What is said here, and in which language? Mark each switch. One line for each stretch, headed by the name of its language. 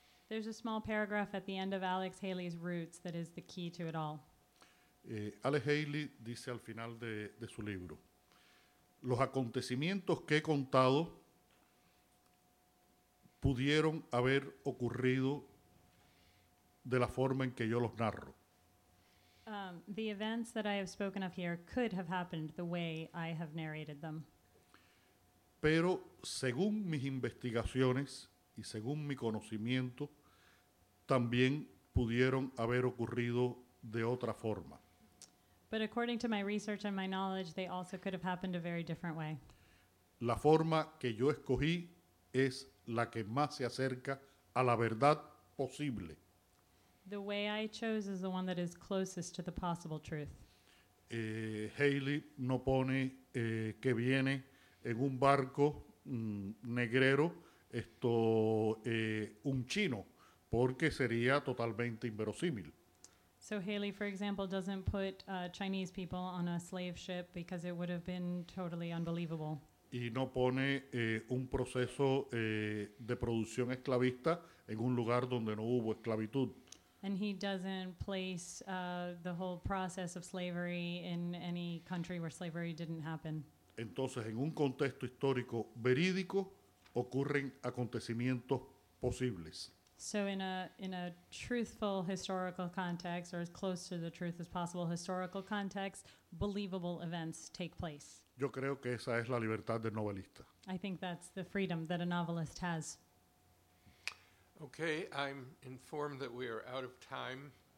English: There's a small paragraph at the end of Alex Haley's Roots that is the key to it all.
Spanish: Alex Haley dice al final de su libro, los acontecimientos que he contado pudieron haber ocurrido de la forma en que yo los narro.
English: The events that I have spoken of here could have happened the way I have narrated them.
Spanish: Pero según mis investigaciones y según mi conocimiento, también pudieron haber ocurrido de otra forma.
English: But according to my research and my knowledge, they also could have happened a very different way.
Spanish: La forma que yo escogí es la que más se acerca a la verdad posible.
English: The way I chose is the one that is closest to the possible truth.
Spanish: Haley no pone que viene en un barco negrero un chino, porque sería totalmente inverosímil.
English: So Haley, for example, doesn't put Chinese people on a slave ship because it would have been totally unbelievable.
Spanish: Y no pone un proceso de producción esclavista en un lugar donde no hubo esclavitud.
English: And he doesn't place the whole process of slavery in any country where slavery didn't happen.
Spanish: Entonces, en un contexto histórico verídico, ocurren acontecimientos posibles.
English: So in a truthful historical context, or as close to the truth as possible historical context, believable events take place.
Spanish: Yo creo que esa es la libertad del novelista.
English: I think that's the freedom that a novelist has. Okay, I'm informed that we are out of time.